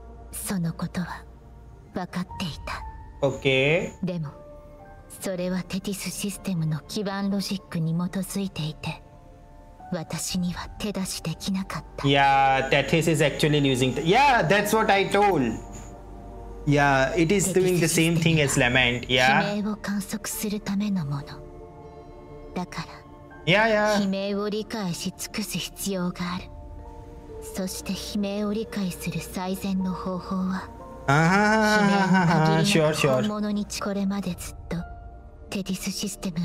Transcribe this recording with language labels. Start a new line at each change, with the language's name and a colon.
Japanese: そのことは分かっていた。
English: OK。
Japanese: でもそれはテティスシステムの基盤ロジックに基づいていて、私には手出しできなかった。
English: Yeah, Tethys is actually using the... Yeah, that's what I told. Yeah, it is doing the same thing as Lament. Yeah.
Japanese: 悲鳴を観測するためのものだから、
English: yeah, yeah.
Japanese: 悲鳴を理解し尽くす必要がある。そして悲鳴を理解する最善の方法は、悲鳴の限りの本物に、これまでずっとテティスシステム